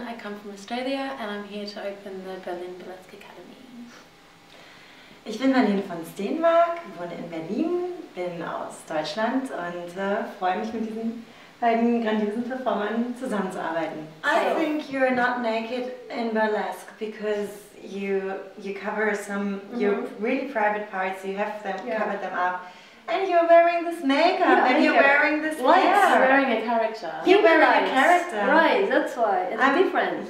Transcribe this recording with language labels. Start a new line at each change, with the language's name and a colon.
English: I come from Australia and I'm here to open the Berlin Burlesque Academy.
German: Ich bin Marlene von Steenmark, wohne in Berlin, bin aus Deutschland und freue mich, mit diesen beiden grandiosen Performern zusammenzuarbeiten.
English: I think you're not naked in burlesque because you cover some your really private parts. You have them covered them up. And you're wearing this makeup, and you're wearing this hair. Yeah, you're wearing a character. You're wearing a character. Right, that's why. It's different.